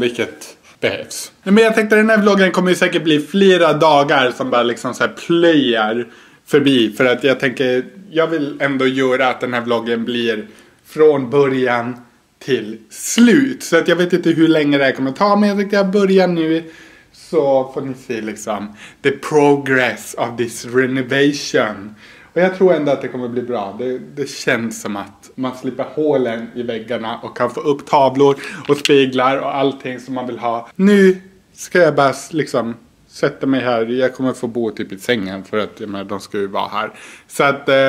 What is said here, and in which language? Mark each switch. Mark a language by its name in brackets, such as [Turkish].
[Swedish] Vilket behövs. Men jag tänkte att den här vloggen kommer ju säkert bli flera dagar. Som bara liksom så här plöjer förbi. För att jag tänker... jag vill ändå göra att den här vloggen blir... från början till slut. Så att jag vet inte hur länge det här kommer ta. Men jag tänkte att jag börjar nu. Så får ni se liksom. [English] The progress of this renovation. [Swedish] Och jag tror ändå att det kommer bli bra. Det känns som att man slipper hålen i väggarna. Och kan få upp tavlor och speglar. Och allting som man vill ha. Nu ska jag bara liksom sätta mig här. Jag kommer få bo typ i sängen. För att jag menar, de ska ju vara här. Så att...